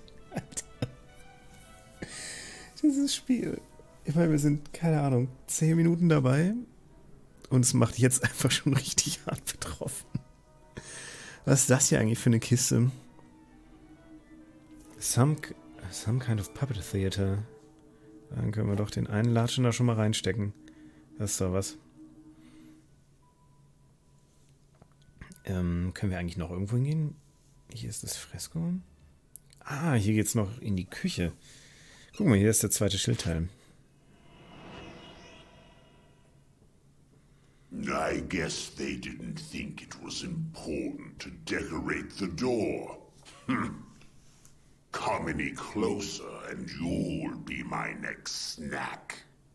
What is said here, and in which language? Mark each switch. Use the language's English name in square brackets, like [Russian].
[German] Alter. Dieses Spiel. Ich meine, wir sind, keine Ahnung, 10 Minuten dabei. Und es macht jetzt einfach schon richtig hart betroffen. Was ist das hier eigentlich für eine Kiste? [English] Some kind of puppet theater. [German] Dann können wir doch den einen Latschen da schon mal reinstecken. Das ist sowas. Können wir eigentlich noch irgendwo hingehen? Hier ist das Fresko. Ah, hier geht's noch in die Küche. Guck mal, hier ist der zweite Schildteil. [English] I guess they didn't think it was important to decorate the door. Come any closer and you'll be my next snack.